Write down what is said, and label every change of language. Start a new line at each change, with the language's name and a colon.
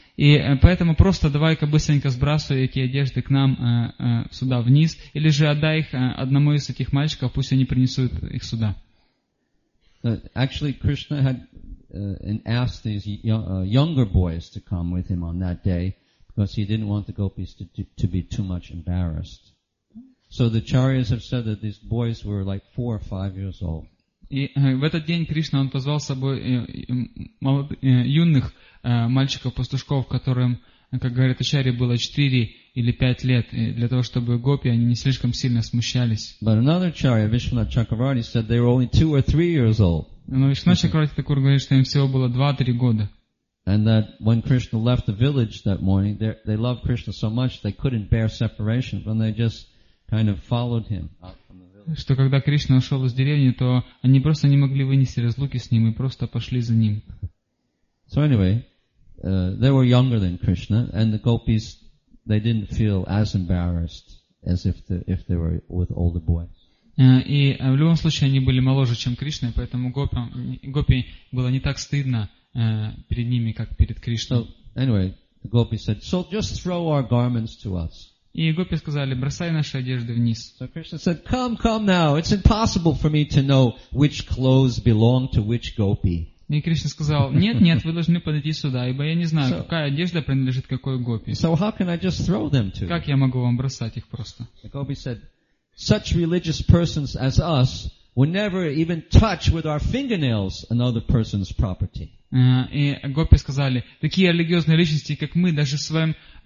Russian: И поэтому просто давай-ка быстренько сбрасывай эти одежды к нам сюда вниз, или же отдай их одному из этих мальчиков, пусть они принесут их сюда.
English: Actually, Krishna had and asked these younger boys to come with him on that day because he didn't want the gopis to be too much embarrassed. So the acharyas have said that these boys were like 4 or 5 years old.
Russian: И в этот день Кришна он позвал с собой юных мальчиков-пастушков, которым, как говорят ачарьи, было 4 или 5 лет, для того чтобы гопи они не слишком сильно смущались.
English: But another acharya, Vishwanath Chakravarti, said they were only 2 or 3 years old.
Russian: Но Вишванат Чакраварти Такур говорит, что им всего было 2-3 года.
English: And that when Krishna left the village that morning, they loved Krishna so much they couldn't bear separation, but they just kind of followed him.
Russian: Что когда Кришна ушел из деревни, то они просто не могли вынести разлуки с ним и просто пошли за ним.
English: So anyway, they were younger than Krishna, and the gopis they didn't feel as embarrassed as if they were with older boys.
Russian: И в любом случае они были моложе, чем Кришна, поэтому гопи было не так стыдно перед ними, как перед Кришной.
English: So anyway, the gopis said, "So just throw our garments to us."
Russian: И гопи сказали, бросай наши одежды вниз.
English: So Krishna said, come, come now, it's impossible for me to know which clothes belong to which gopi.
Russian: И Кришна сказал, нет, вы должны подойти сюда, ибо я не знаю, какая одежда принадлежит какой гопи.
English: So how can I just throw them to?
Russian: Как я могу вам бросать их просто?
English: The gopi said, such religious persons as us would never even touch with our fingernails another person's property.
Russian: И гопи сказали, такие религиозные личности, как мы, даже в своем...